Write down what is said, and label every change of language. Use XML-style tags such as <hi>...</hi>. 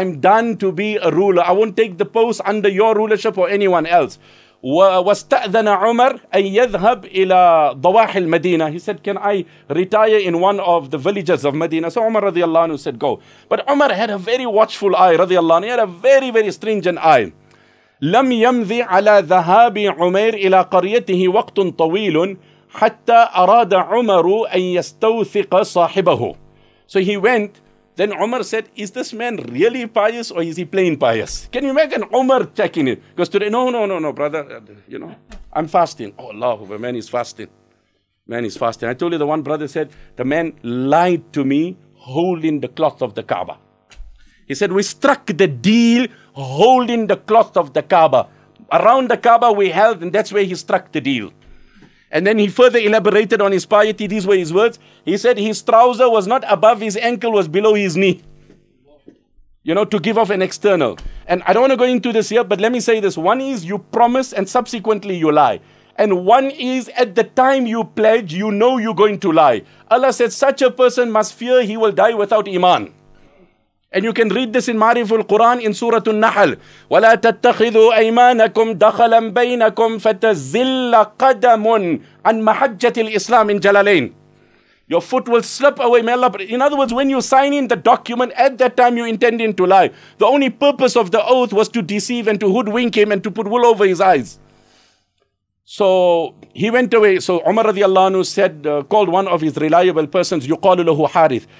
<en>I'm done to be a ruler. I won't take the post under your rulership or anyone else.</en> <ar>وَاسْتَأْذَنَ عُمَرْ أَنْ يَذْهَبْ إِلَىٰ ضَوَاحِ الْمَدِينَةِ</ar> <en>He said, can I retire in one of the villages of Medina? So Umar radiallahu anhu said, go. But Umar had a very watchful eye, radiallahu anhu. He had a very, very stringent eye.</en> <ar>لَمْ يَمْذِ عَلَىٰ ذَهَابِ عُمَرْ إِلَىٰ قَرْيَتِهِ وَقْتٌ طَوِيلٌ حَتَّى أَرَادَ عُمَرُ أَنْ يَسْتَوْثِقَ صَاحِبَهُ</ar> <en>So he went. Then Umar said, is this man really pious or is he plain pious? Can you imagine Umar checking it? Because today, no, brother, you know, I'm fasting. Oh, Allah, the man is fasting. Man is fasting. I told you the one brother said, the man lied to me holding the cloth of the Kaaba. He said, we struck the deal holding the cloth of the Kaaba. Around the Kaaba we held and that's where he struck the deal. And then he further elaborated on his piety. These were his words. He said his trouser was not above his ankle, was below his knee. You know, to give off an external. And I don't want to go into this here, but let me say this. One is you promise and subsequently you lie. And one is at the time you pledge, you know you're going to lie. Allah said, such a person must fear he will die without iman. And you can read this in Ma'riful Quran in Surah An-Nahl.</en> <ar>وَلَا تَتَّخِذُوا أَيْمَانَكُمْ دَخَلًا بَيْنَكُمْ فَتَزِلَّ قَدَمٌ عَنْ مَحَجَّةِ الْإِسْلَامِ</ar> <en>in Jalalain. Your foot will slip away. May Allah. In other words, when you sign in the document, at that time you intending to lie. The only purpose of the oath was to deceive and to hoodwink him and to put wool over his eyes. So he went away. So Umar radiallahu anhu said, called one of his reliable persons,</en> <ar>يُقَالُ لَهُ حَارِثُ.</ar>